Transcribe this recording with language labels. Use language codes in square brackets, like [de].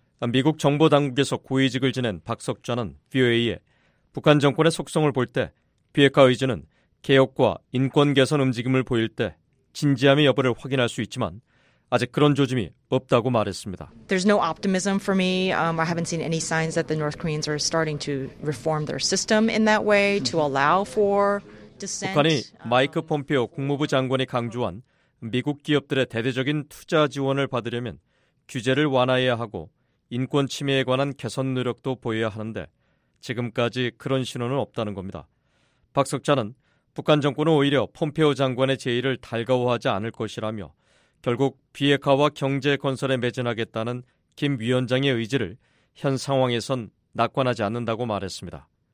[ko] 미국 정보당국에서 고위직을 지낸 박석좌는 VOA에 북한 정권의 속성을 볼 때 비핵화 의지는 개혁과 인권 개선 움직임을 보일 때 진지함의 여부를 확인할 수 있지만 아직 그런 조짐이 없다고 말했습니다. [en] There's no optimism for me. I haven't seen any signs that the North Koreans are starting to reform their system in that way to allow for dissent. [ko] 북한이 마이크 폼페오 국무부 장관이 강조한 미국 기업들의 대대적인 투자 지원을 받으려면 규제를 완화해야 하고 인권 침해에 관한 개선 노력도 보여야 하는데 지금까지 그런 신호는 없다는 겁니다. 박석자는 북한 정권은 오히려 폼페오 장관의 제의를 달가워하지 않을 것이라며 결국 비핵화와 경제 건설에 매진하겠다는 김 위원장의 의지를 현 상황에선 낙관하지 않는다고 말했습니다.